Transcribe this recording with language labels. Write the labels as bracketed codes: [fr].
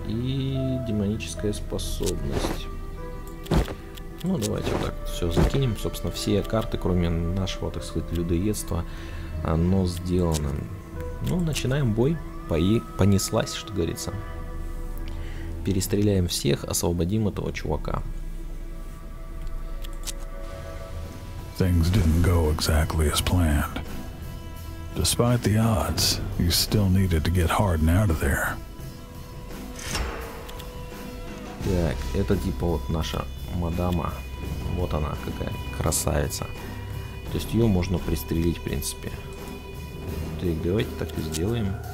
[ru] И демоническая способность. Ну, давайте вот так все закинем. Собственно, все карты, кроме нашего, так сказать, людоедства, оно сделано. Ну, начинаем бой. Понеслась, что говорится. Перестреляем всех, освободим этого чувака. [en] Things didn't go exactly as planned. Despite the odds, you still needed to get Harden out of there. [ru] Так, это типа вот наша мадама. Вот она какая, красавица. То есть ее можно пристрелить, в принципе. Так, давайте так и сделаем.